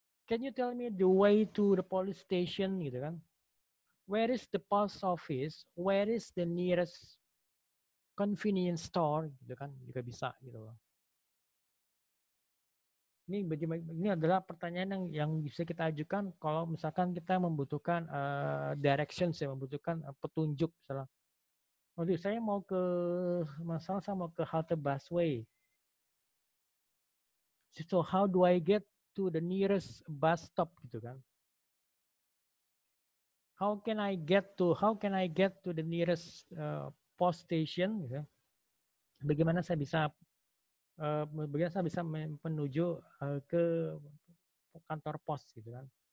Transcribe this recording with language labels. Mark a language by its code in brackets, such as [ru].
[en] Can you tell me the way to the police station gitu kan? Where is the post office? Where is the nearest convenience store [id] gitu kan juga bisa gitu loh. Ini adalah pertanyaan yang bisa kita ajukan kalau misalkan kita membutuhkan directions ya, membutuhkan petunjuk misalnya. Waduh, saya mau ke masalah saya mau ke halte busway. [en] So how do I get to the nearest bus stop gitu kan? How can I get to the nearest post station? [id] Gitu. Bagaimana saya bisa menuju ke kantor pos gitu kan?